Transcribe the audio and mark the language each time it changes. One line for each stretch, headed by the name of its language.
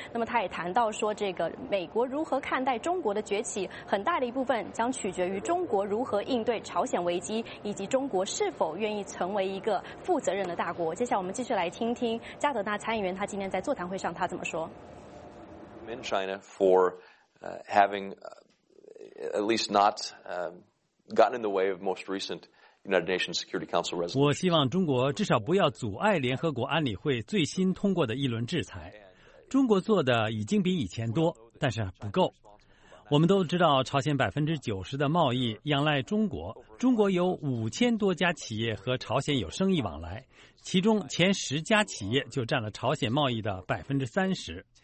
Chinese: 那么他也谈到说，这个美国如何看待中国的崛起，很大的一部分将取决于中国如何应对朝鲜危机，以及中国是否愿意成为一个负责任的大国。接下来我们继续来听听加德纳参议员他今天在座谈会上他怎么说。
English: In China for having at least not gotten in the way of most recent United Nations Security Council resolution.
Chinese: 我希望中国至少不要阻碍联合国安理会最新通过的一轮制裁。中国做的已经比以前多，但是不够。我们都知道朝鲜90%的贸易仰赖中国，中国有5000多家企业和朝鲜有生意往来，其中前10家企业就占了朝鲜贸易的30%。